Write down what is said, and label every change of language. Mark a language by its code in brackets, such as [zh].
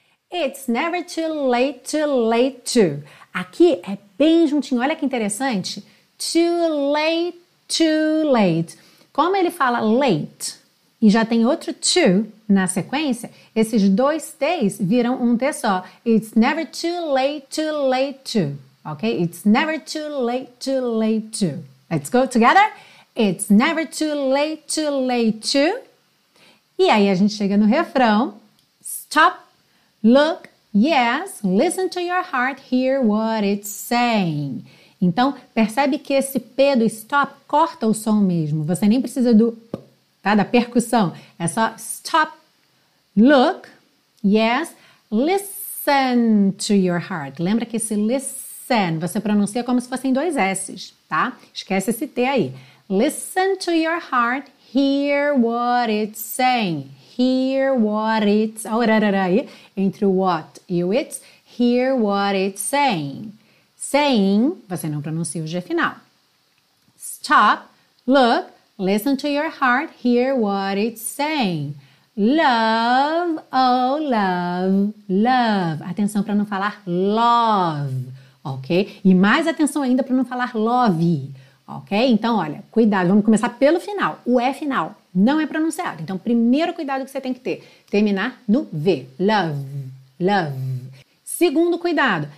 [en] It's never too late to late to. [pt] Aqui é bem juntinho, olha que interessante. [en] Too late, too late. [pt] Como ele fala late e já tem outro to na sequência, esses dois T's viram um T só. [en] It's never too late to late to. Ok? It's never too late to late to. Let's go together. It's never too late to late to. [pt] E aí a gente chega no refrão. [en] Stop. Look, yes, listen to your heart, hear what it's saying. [pt] Então, percebe que esse P do stop corta o som mesmo. Você nem precisa do, tá, da percussão. É só [en] stop, look, yes, listen to your heart. [pt] Lembra que esse listen, você pronuncia como se fossem dois S's, tá? Esquece esse T aí. [en] Listen to your heart, hear what it's saying. Hear what it's... [pt] entre o what e o it's. [en] Hear what it's saying. [pt] Saying, você não pronuncia o G final. [en] Stop, look, listen to your heart, hear what it's saying. Love, oh love, love. [pt] Atenção para não falar love, ok? E mais atenção ainda para não falar love, ok? Então, olha, cuidado, vamos começar pelo final, o E final. Não é pronunciado. Então, primeiro cuidado que você tem que ter. Terminar no V. Love. Love. Segundo cuidado.